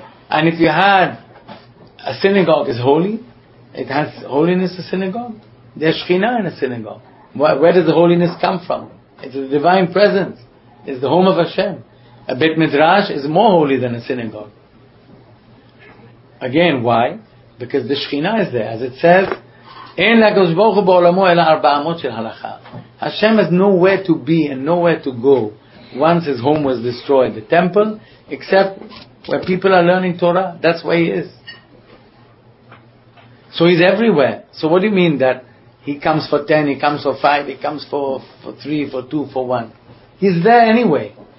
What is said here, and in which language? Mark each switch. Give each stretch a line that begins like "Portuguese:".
English: And if you had a synagogue, is holy. It has holiness, a synagogue. There's Shekhinah in a synagogue. Where does the holiness come from? It's the divine presence. It's the home of Hashem. A Beit Midrash is more holy than a synagogue. Again, why? Because the Shekhinah is there.
Hebrew: As it says, אין לקדוש ברוך הוא בעולמו אלא 400 של הלכה.
English: Hashem has nowhere to be and nowhere to go once His home was destroyed, the temple, except where people are learning Torah. That's where He is. So He's everywhere. So what do you mean that He comes for 10, He comes for 5, He comes for 3, for 2, for 1? He's there anyway.